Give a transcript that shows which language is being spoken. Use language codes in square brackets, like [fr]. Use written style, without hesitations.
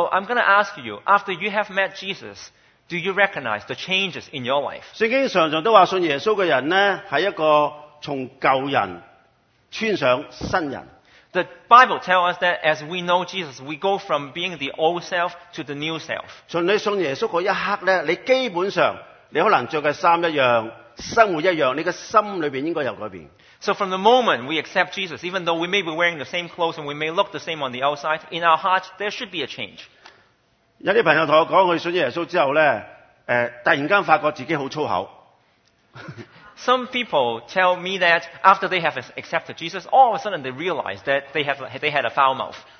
[en] I'm going to ask you, after you have met Jesus, do you recognize the changes in your life? [yue] 聖經常常都話，信耶穌嘅人咧係一個從舊人穿上新人。 [en] The Bible tells us that as we know Jesus, we go from being the old self to the new self. [yue] 你信耶稣嗰一刻咧，你基本上你可能着嘅衫一样，生活一样，你嘅心里边应该有改变。 [en] So from the moment we accept Jesus, even though we may be wearing the same clothes and we may look the same on the outside, in our hearts there should be a change. [yue] 有啲朋友同我讲，佢信耶稣之后咧，突然间发觉自己好粗口。 [en] Some people tell me that after they have accepted Jesus, all of a sudden they realize that they had a foul mouth.